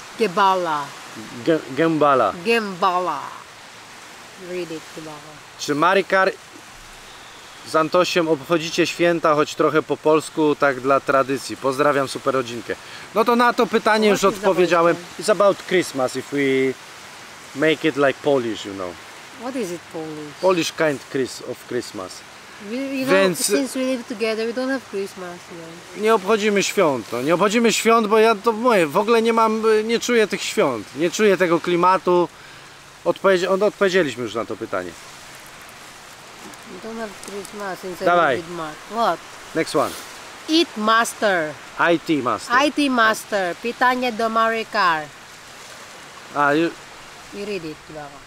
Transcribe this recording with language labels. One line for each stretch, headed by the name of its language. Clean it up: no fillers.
Polish: Gembala. Gembala.
English: Gembala. Read it, Gembala.
Polish: Czy Marykar z Antosiem obchodzicie święta, choć trochę po polsku, tak dla tradycji? Pozdrawiam super rodzinkę. No to na to pytanie już odpowiedziałem.
English: It's about Christmas, if we make it like Polish, you know. What is it Polish? Polish kind of Christmas. You know,
Polish: więc
English: since we live together, we don't have Christmas. Yet.
Polish: Nie obchodzimy świąt. No. Nie obchodzimy świąt, bo ja to moje. W ogóle nie mam, nie czuję tych świąt. Nie czuję tego klimatu. Odpowiedzieliśmy już na to pytanie.
English: We don't have Christmas since Dawaj. I live with Mark. What? Next one. IT Master. IT Master.
Polish: IT Master. Pytanie do Marykar.
English: You read it, Dawa.